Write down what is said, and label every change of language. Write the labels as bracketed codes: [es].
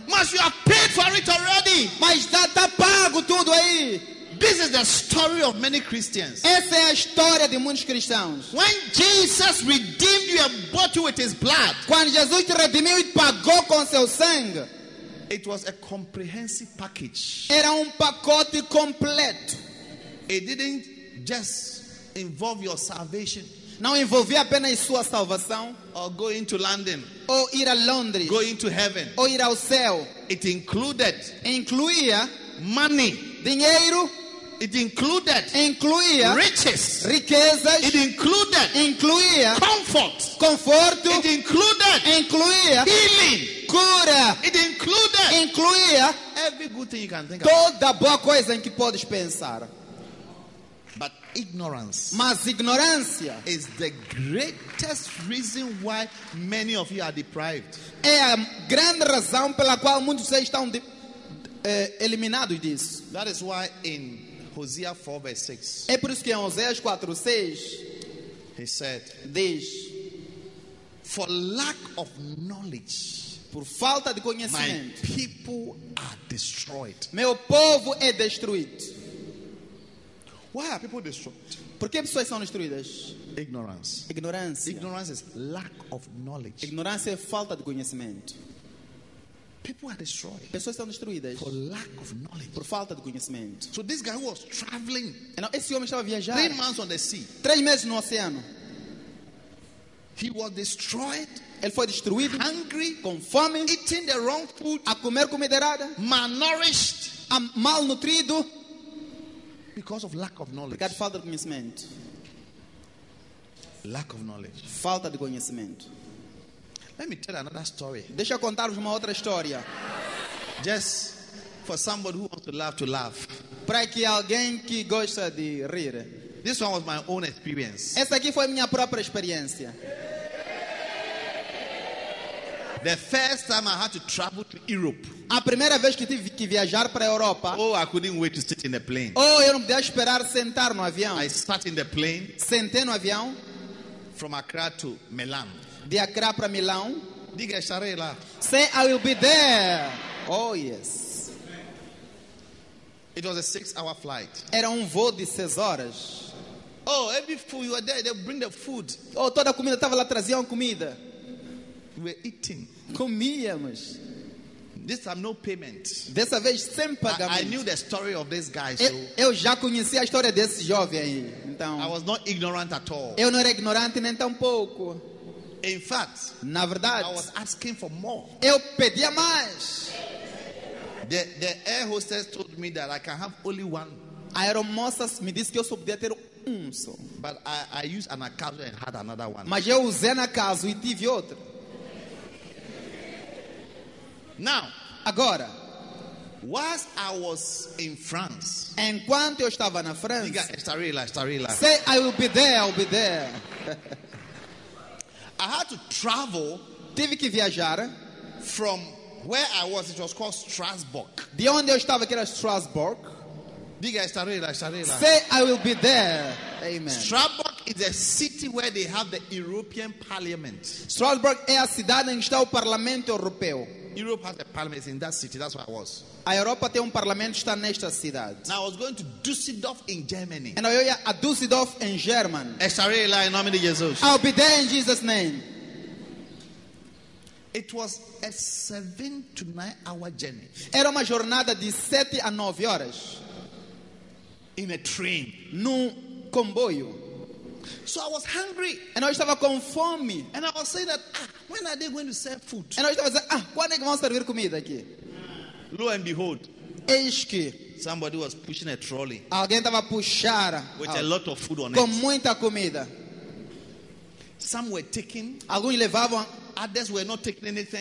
[pt] Mas [en] you have paid for it already. [pt] Mas tá pago tudo aí. [en] This is the story of many Christians. [pt] Essa é a história de muitos cristãos. [en] When Jesus redeemed you and bought you with his blood. [pt] Quando Jesus te redimiu e pagou com seu sangue. [en] It was a comprehensive package. [pt] Era pacote completo. [en] It didn't just involve your salvation. [pt] Não envolvia apenas sua salvação. [en] Or going to London. [pt] Ou ir a Londres. [en] Going to heaven. [pt] Ou ir ao céu. [en] It included. [pt] Incluía [en] money. [pt] Dinheiro. [en] It included. [pt] Incluía [en] riches. [pt] Riquezas. [en] It included. [pt] Incluía [en] comfort. [pt] Conforto. [en] It included. [pt] Incluía [en] healing. [pt] Cura. [en] It included. [pt] Incluía [en] every good thing you can think [pt] toda [en] of. [pt] Toda boa coisa em que podes pensar. [en] But ignorance. [pt] Mas ignorância [en] is the greatest reason why many of you are deprived. [pt] É a grande razão pela qual muitos de vocês estão eliminados disso. [en] That is why in Hosea 4 verse 6. [pt] É por isso que em Hoseias 4 verse 6 [en] he said, [pt] diz, [en] for lack of knowledge, [pt] por falta de conhecimento, [en] my people are destroyed. [pt] Meu povo é destruído. [en] Why are people destroyed? [pt] Por que pessoas são destruídas? [en] Ignorance. [pt] Ignorância. [en] Ignorance is lack of knowledge. [pt] Ignorância é falta de conhecimento. [en] People are destroyed. [pt] Pessoas são destruídas. [en] For lack of knowledge. [pt] Por falta de conhecimento. [en] So this guy was traveling. Now, [pt] esse homem estava viajando. [en] 3 months on the sea. [pt] 3 meses no oceano. [en] He was destroyed. [pt] Ele foi destruído. [en] Hungry. [pt] Com fome. [en] Eating the wrong food. [pt] A comer comida errada. [en] Malnourished. [pt] A mal nutrido. [en] Because of lack of knowledge. [pt] Porque falta de conhecimento. [en] Lack of knowledge. [pt] Falta de conhecimento. [en] Let me tell another story. [pt] Deixa eu contar-vos uma outra história. [en] Just for somebody who wants to laugh to laugh. [pt] Para que alguém que gosta de rir. [en] This one was my own experience. [pt] Essa aqui foi minha própria experiência. [en] The first time I had to travel to Europe. [pt] A primeira vez que tive que viajar para a Europa. [en] Oh, I couldn't wait to sit in the plane. [pt] Oh, eu não podia esperar sentar no avião. [en] I sat in the plane. [pt] Sentei no avião. [en] From Accra to Milan. [pt] De Accra para Milão. Diga, estarei lá. [en] Say, I will be there. Oh, yes. It was a 6-hour flight. [pt] Era voo de 6 horas. Oh, every food you were there, they bring the food. Oh, toda a comida estava lá, traziam comida. We're eating. Comíamos. This time no payment. Dessa vez sem pagamento. I knew the story of this guy. Eu já conhecia a história desse jovem aí. Então. [en] I was not ignorant at all. [pt] Eu não era ignorante nem tão pouco. [en] In fact, [pt] na verdade, [en] I was asking for more. [pt] Eu pedia mais. [en] The air hostess told me that I can have only one. [pt] A aeromoça me disse que eu só podia ter um só. [en] But I used an acaso and had another one. [pt] Mas eu usei na casa e tive outro. [en] Now, [pt] agora, [en] whilst I was in France, [pt] enquanto eu estava na França, estarei lá. [en] Say, I will be there. I had to travel. [pt] Tive que viajar [en] from where I was. It was called Strasbourg. [pt] De onde eu estava, que era Strasbourg. Diga, estarei lá. [en] Say, I will be there. Amen. Strasbourg is a city where they have the European Parliament. [pt] Strasbourg é a cidade em que está o Parlamento Europeu. [en] Europe has a parliament in that city. That's where I was. [pt] A Europa tem parlamento está nesta cidade. [en] Now I was going to Düsseldorf in Germany. And I was Düsseldorf in German. [pt] Estarei lá em nome de Jesus. [en] I'll be there in Jesus' name. It was a 7 to 9 hour journey. [pt] Era uma jornada de 7 a 9 horas. [en] In a train. [pt] Num comboio. [en] So I was hungry. And [pt] eu estava com fome. [en] And I was saying that, when are they going to serve food? [pt] E eu estava dizendo, quando é que vão servir comida aqui? [en] Lo and behold. [pt] Eis que. [en] Somebody was pushing a trolley. [pt] Alguém estava puxar. [en] With a lot of food on [pt] com [en] it. [pt] Com muita comida. [en] Some were taking. [pt] Alguns levavam. [en] Others were not taking anything.